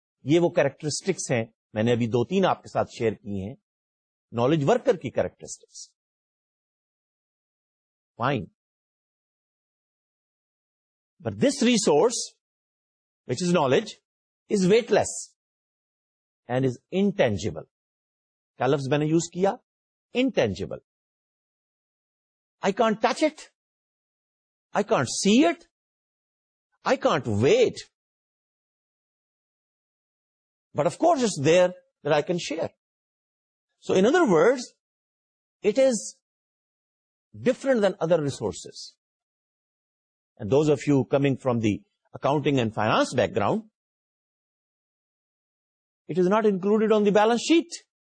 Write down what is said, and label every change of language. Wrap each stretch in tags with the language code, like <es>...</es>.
<ur>یہ وہ کریکٹرسٹکس ہیں میں نے ابھی دو تین آپ کے ساتھ شیئر کی ہیں نالج ورکر کی characteristics.</ur> <en>Fine, but this resource which is knowledge is weightless and is intangible.</en> <ur>کیا لفظ میں نے یوز کیا؟ Intangible.</ur> <en>I can't touch it, I can't see it, I can't weight. But of course, it's there that I can share. So in other words, it is different than other resources. And those of you coming from the accounting and finance background, it is not included on the balance sheet.</en>